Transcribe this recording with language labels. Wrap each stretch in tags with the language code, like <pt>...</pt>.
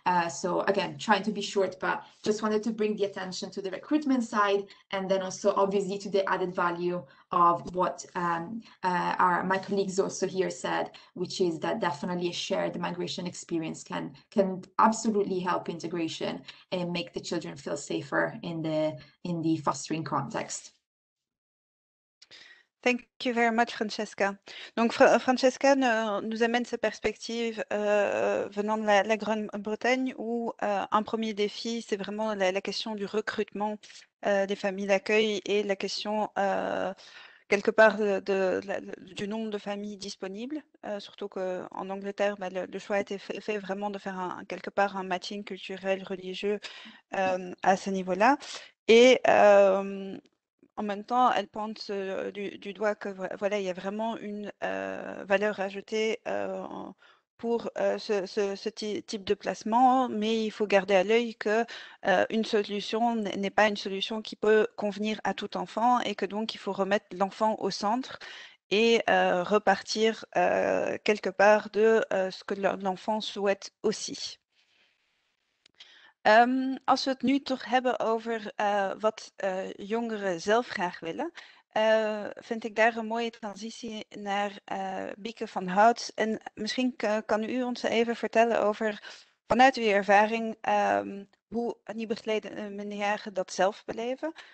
<en>So again, trying to be short, but just wanted to bring the attention to the recruitment side, and then also obviously to the added value of what my colleagues also here said, which is that definitely a shared migration experience can absolutely help integration and make the children feel safer in the fostering context. Thank you very much, Francesca.</en> <fr>Donc, Francesca nous amène sa perspective venant de la Grande-Bretagne, où un premier défi, c'est vraiment la question du recrutement des familles d'accueil et la question quelque part du nombre de familles disponibles, surtout qu'en Angleterre, le choix a été fait vraiment de faire quelque part un matching culturel, religieux à ce niveau-là. Et en même temps, elle pointe du doigt que voilà, il y a vraiment une valeur ajoutée pour ce type de placement, mais il faut garder à l'œil que une solution n'est pas une solution qui peut convenir à tout enfant et que donc il faut remettre l'enfant au centre et repartir quelque part de ce que l'enfant souhaite aussi.</fr> <nl>Als we het nu toch hebben over wat jongeren zelf graag willen, vind ik daar een mooie transitie naar Bieke van Hout. En misschien kan u ons even vertellen over, vanuit uw ervaring, hoe nieuwbegeleide minderjarigen dat zelf beleven.</nl>